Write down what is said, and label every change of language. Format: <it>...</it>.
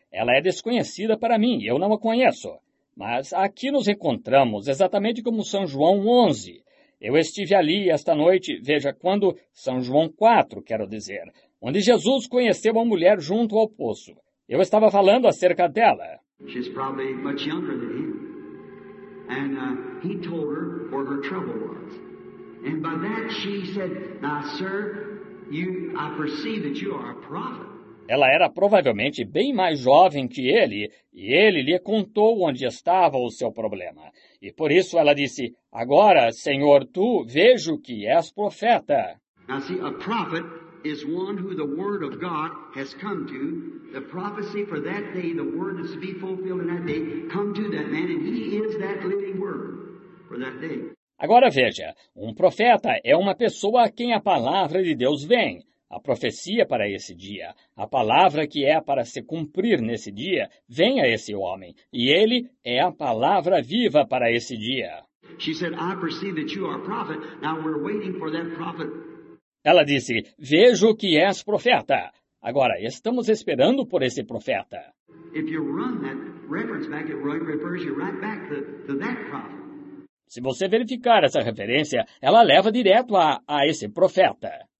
<pt>Ela é desconhecida para mim, eu não a conheço. Mas aqui nos encontramos, exatamente como São João 11. Eu estive ali esta noite, veja, quando São João 4, quero dizer, onde Jesus conheceu uma mulher junto ao poço. Eu estava falando acerca dela.</pt> <en>She's probably much younger than him. And he told her what her trouble was. And by that she said, now, sir, I perceive that you are a prophet.</en> <pt>Ela era provavelmente bem mais jovem que ele, e ele lhe contou onde estava o seu problema. E por isso ela disse: "Agora, Senhor, tu vejo que és profeta."</pt> <en>Now see, a prophet is one who the word of God has come to. The prophecy for that day, the word is to be fulfilled in that day, come to that man, and he is that living word for that day.</en> <pt>Agora veja, um profeta é uma pessoa a quem a palavra de Deus vem. A profecia para esse dia, a palavra que é para se cumprir nesse dia, vem a esse homem. E ele é a palavra viva para esse dia.</pt> <en>She said, "I perceive that you are a prophet. Now we're waiting for that prophet."</en> <pt>Ela disse, "Vejo que és profeta. Agora, estamos esperando por esse profeta."</pt> <en>If you run that reference back, it refers you right back to that prophet.</en> <pt>Se você verificar essa referência, ela leva direto a esse profeta.</pt>